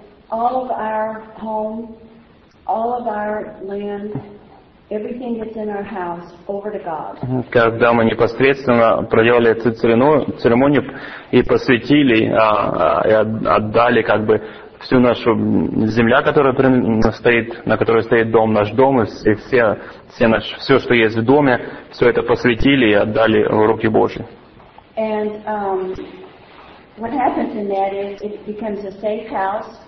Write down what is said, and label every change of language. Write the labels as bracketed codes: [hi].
[en] All of our home, all of our land, everything that's in our house, over to God. [ru] Когда мы непосредственно проделали эту церемонию и посвятили, и отдали как бы всю нашу земля, которая стоит, на которой стоит дом, наш дом, и все, что есть в доме, все это посвятили и отдали в руки Божьи. [en] And what happens in that is it becomes a safe house.